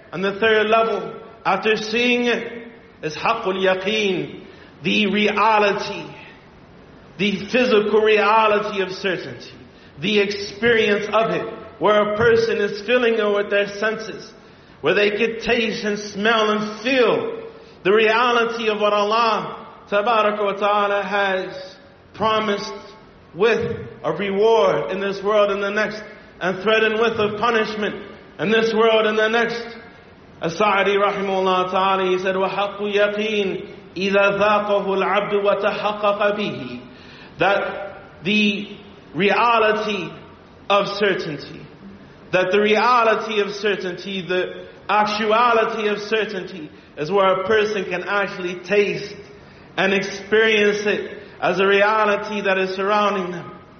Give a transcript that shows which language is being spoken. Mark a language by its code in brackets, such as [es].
[en] And the third level, after seeing it, is haqqul yaqeen, the reality, the physical reality of certainty, the experience of it, where a person is filling it with their senses, where they could taste and smell and feel the reality of what Allah tabarak wa ta'ala has promised with a reward in this world and the next, and threatened with a punishment in this world and the next. [ar] As-Sa'di rahimahullah ta'ala, [en] he said, [ar] وَحَقُّ يَقِينَ إِذَا ذَاقَهُ الْعَبْدُ وَتَحَقَّقَ بِهِ. [en] That the reality of certainty, that the reality of certainty, the actuality of certainty, is where a person can actually taste and experience it as a reality that is surrounding them.